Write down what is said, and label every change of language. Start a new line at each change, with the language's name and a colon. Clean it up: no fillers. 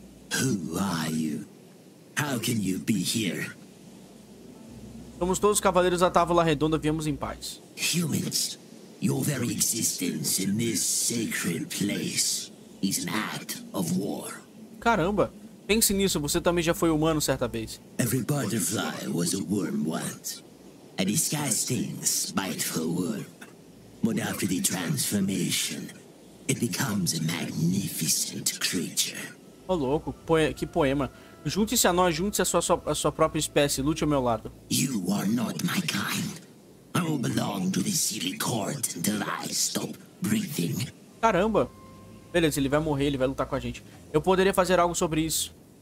English: Quem are you? How can you be here?
Portuguese: Somos todos cavaleiros da Távola Redonda, viemos em paz.
English: Humans, your very existence in this sacred place is an act of war.
Portuguese: Caramba, pense nisso, você também já foi humano certa vez.
English: Every butterfly was a worm once, a disgusting, spiteful worm. But after the transformation, it becomes a magnificent creature.
Portuguese: Ô, oh, louco, que poema. Junte-se a nós, junte-se a sua própria espécie. Lute ao meu lado.
English: You are not my kind. I will belong to the silly court until I stop breathing.
Portuguese: Caramba. Beleza, ele vai morrer, ele vai lutar com a gente. Eu poderia fazer algo sobre isso.